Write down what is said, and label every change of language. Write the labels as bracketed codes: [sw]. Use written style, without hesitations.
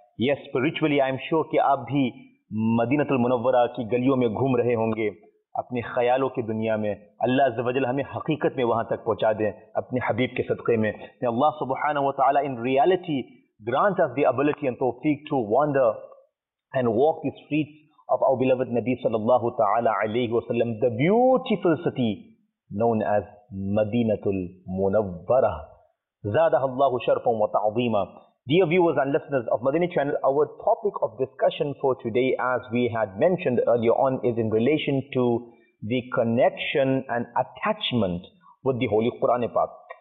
[en] Yes, spiritually I am sure [ur] ki aap bhi Madinatul Munawwara ki galiyon mein ghum rahe honge اپنے خیالوں کی دنیا میں. اللہ عز و جل ہمیں حقیقت میں وہاں تک پہنچا دیں اپنے حبیب کے صدقے میں. [en] May Allah subhanahu wa ta'ala in reality grant us the ability and tawfiq to wander and walk the streets of our beloved Nabi sallallahu ta'ala alayhi wa sallam, the beautiful city known as Madinatul Munawwarah. Zadahallahu sharfan wa ta'zeema. Dear viewers and listeners of Madini Channel, our topic of discussion for today, as we had mentioned earlier on, is in relation to the connection and attachment with the Holy Quran Pak.